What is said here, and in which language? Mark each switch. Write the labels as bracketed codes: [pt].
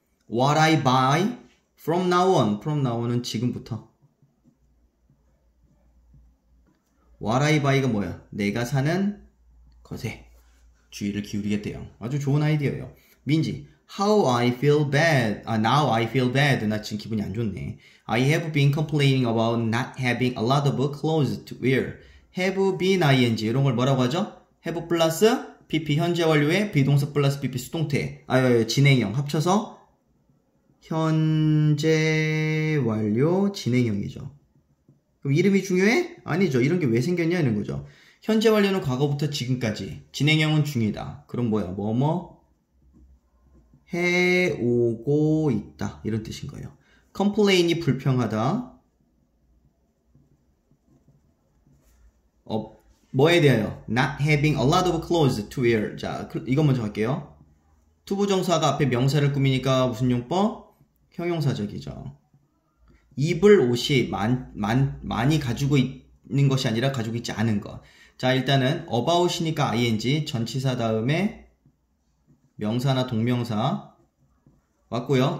[en] What I buy from now on. From now on은 [ko] 지금부터. [en] What I buy가 [ko] 뭐예요? 내가 사는 것에 주의를 기울이겠대요. 아주 좋은 아이디어예요. [en] 민지, how I feel bad. Now I feel bad. [ko] 나 지금 기분이 안 좋네. [en] I have been complaining about not having a lot of clothes to wear. Have been ing [ko] 이런 걸 뭐라고 하죠? Have 플러스 pp 현재 완료에 비동사 플러스 pp 수동태. 아유, 진행형 합쳐서 현재 완료 진행형이죠. 그럼 이름이 중요해? 아니죠. 이런 게 왜 생겼냐 이런 거죠. 현재 완료는 과거부터 지금까지. 진행형은 중이다. 그럼 뭐야? 뭐뭐? 해오고 있다. 이런 뜻인 거예요. complain이 불평하다. 뭐에 대하여? [en] not having a lot of clothes to wear. [ko] 자, 이거 먼저 할게요. 투부정사가 앞에 명사를 꾸미니까 무슨 용법? 형용사적이죠. 입을 옷이 많이 가지고 있는 것이 아니라 가지고 있지 않은 것. 자, 일단은 about이니까 ing, 전치사 다음에 명사나 동명사 왔고요.